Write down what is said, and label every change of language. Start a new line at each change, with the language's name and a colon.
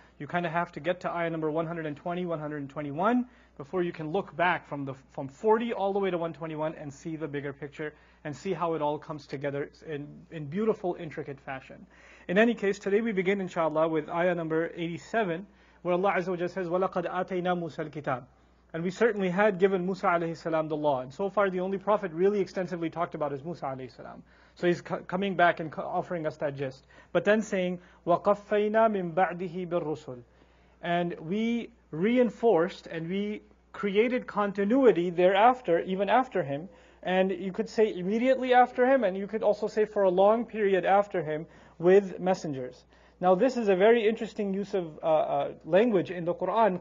English: You kind of have to get to ayah number 120, 121, before you can look back from 40 all the way to 121 and see the bigger picture, and see how it all comes together in beautiful, intricate fashion. In any case, today we begin, inshallah, with ayah number 87, where Allah Azza wa Jalla says,
Arabic: وَلَقَدْ آتَيْنَا مُوسَى الْكِتَابِ
English: And we certainly had given Musa alayhi salam the law. And so far the only prophet really extensively talked about is Musa alayhi salam. So he's coming back and offering us that gist. But then saying,
Arabic: وَقَفَّيْنَا مِن بَعْدِهِ بِالرُّسُلِ.
English: And we reinforced and we created continuity thereafter, even after him. And you could say immediately after him, and you could also say for a long period after him, with messengers. Now this is a very interesting use of language in the Qur'an.